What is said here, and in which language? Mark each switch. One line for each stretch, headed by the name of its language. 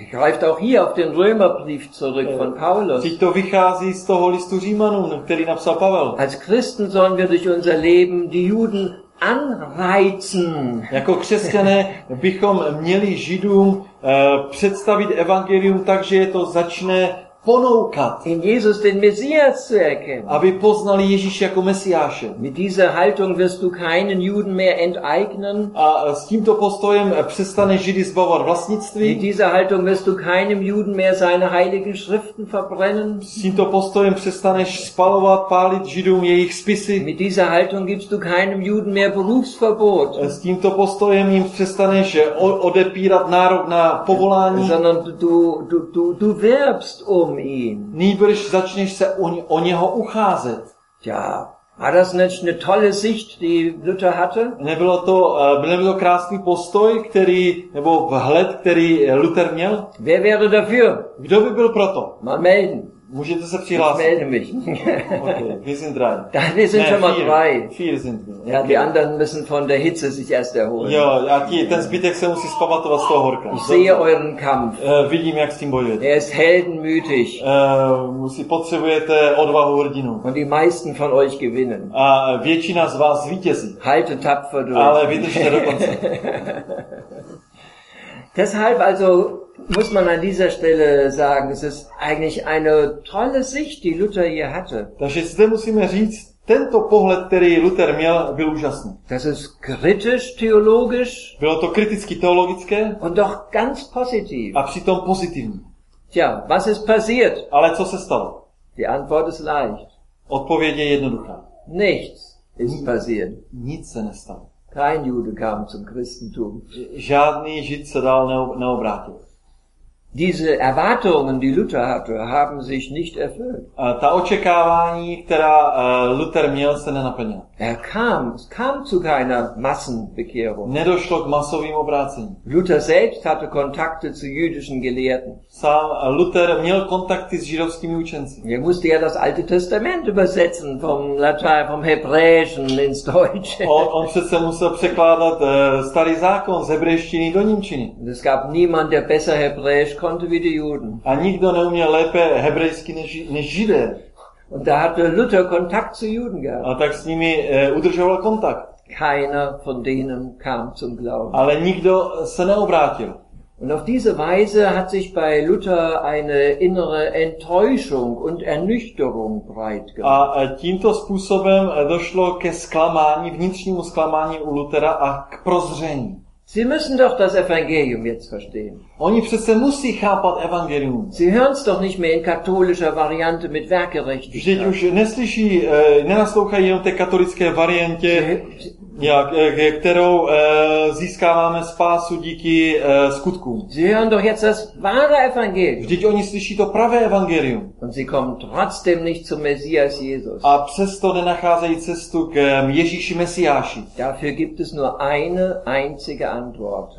German: Greift auch hier auf den Römerbrief zurück von Paulus.
Czech: Teď to vychází z toho listu Římanům, který napsal Pavel.
German: Als Christen sollen wir durch unser Leben die Juden anreizen.
Czech: Jako křesťané bychom měli Židům představit evangelium tak, že je to začne ponoukat.
German: In Jesus den Messias zu erkennen.
Czech: Aby poznali Ježíše jako Mesiáše.
German: Mit dieser Haltung wirst du keinen Juden mehr enteignen.
Czech: A s tímto postojem přestane Židy zbavovat vlastnictví.
German: Mit dieser Haltung wirst du keinem Juden mehr seine heiligen Schriften verbrennen.
Czech: S tímto postojem přestaneš spalovat, pálit Židům jejich spisy.
German: Mit dieser Haltung gibst du keinem Juden mehr Berufsverbot.
Czech: S tímto postojem jim přestaneš odepírat nárok na povolání.
German: Sondern du wirbst
Czech: Nýbrž začneš se o něho ucházet.
German: Ja, war das nicht eine tolle Sicht, die Luther hatte?
Czech: Nebylo to krásný postoj, který, nebo vhled, který Luther měl?
German: Wer wäre dafür?
Czech: Kdo by byl proto?
German: Mal melden.
Czech: Můžete se přihlásit.
German: Ich melde mich. Okay, wir sind drei. Da, wir sind schon mal drei. Vier sind wir. Okay. Ja, die anderen müssen von der Hitze sich erst erholen.
Czech: Jo, a ten zbytek se musí zpamatovat z toho horka.
German: Ich sehe euren Kampf.
Czech: Vidím, jak s tím bojujete.
German: Er ist heldenmütig.
Czech: Potřebujete odvahu hrdinu.
German: Und die meisten von euch gewinnen.
Czech: A většina z vás zvítězí.
German: Halte tapfer durch.
Czech: Ale vydržte do konce.
German: Deshalb also muss man an dieser Stelle sagen, es ist eigentlich eine tolle Sicht, die Luther hier hatte.
Czech: Takže zde musíme říct, tento pohled, který Luther měl, byl úžasný.
German: Das ist kritisch theologisch.
Czech: Bylo to kriticky teologické.
German: Und doch ganz positiv.
Czech: A přitom pozitivní.
German: Tja, was ist passiert?
Czech: Ale co se stalo?
German: Die Antwort ist leicht.
Czech: Odpověď je jednoduchá.
German: Nichts ist passiert.
Czech: Nic se nestalo.
German: Kein Jude kam zum Christentum.
Czech: Žádný Žid se dál neobrátil.
German: Diese Erwartungen, die Luther hatte, haben sich nicht erfüllt.
Czech: Ta očekávání, která Luther měl, se nenaplnila.
German: Es kam zu keiner Massenbekehrung.
Czech: Nedošlo k masovým obrácení.
German: Luther selbst hatte Kontakte zu jüdischen Gelehrten.
Czech: Sám Luther měl kontakty s židovskými učenci.
German: Er musste ja das Alte Testament übersetzen vom Latein, vom Hebräischen ins Deutsche.
Czech: On přece musel překládat starý zákon z hebrejštiny do němčiny.
German: Es gab niemand, der besser Hebräisch konnte wie die Juden.
Czech: A nikdo neuměl lépe hebrejsky než Židé.
German: Und da hatte Luther Kontakt zu Juden gehabt.
Czech: A tak s nimi udržoval kontakt.
German: Keiner von denen kam zum Glauben.
Czech: Ale nikdo se neobrátil.
German: Und auf diese Weise hat sich bei Luther eine innere Enttäuschung und Ernüchterung breit gemacht.
Czech: A tímto způsobem došlo ke zklamání, vnitřnímu zklamání u Luthera a k prozření.
German: Sie müssen doch das Evangelium jetzt verstehen.
Czech: Oni přece musí chápat evangelium.
German: Sie hören's doch nicht mehr in katholischer Variante mit Werkgerechtigkeit.
Czech: Vždyť už neslyší, nenaslouchají jenom té katolické variantě, kterou získáváme spásu díky skutkům.
German: Sie hören doch jetzt das wahre Evangelium.
Czech: Vždyť oni slyší to pravé evangelium.
German: Und sie kommen trotzdem nicht zum Messias Jesus.
Czech: A přesto nenacházejí cestu k Ježíši Mesiáši.
German: Dafür gibt es nur eine einzige Antwort.